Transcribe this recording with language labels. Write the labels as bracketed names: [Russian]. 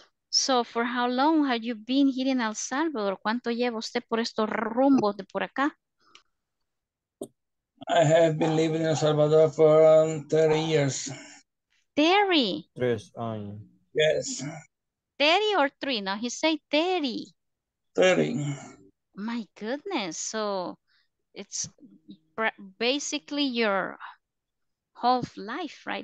[English] So, for how long have you been here in El Salvador? [Spanish] ¿Cuánto lleva usted por estos rumbos de por acá? [English] I have been living in El Salvador for around 30 years. Terry. [Spanish] 3 años. [English] Yes. Terry or three? No, he say Terry. 30. My goodness. So, it's basically your whole life, right?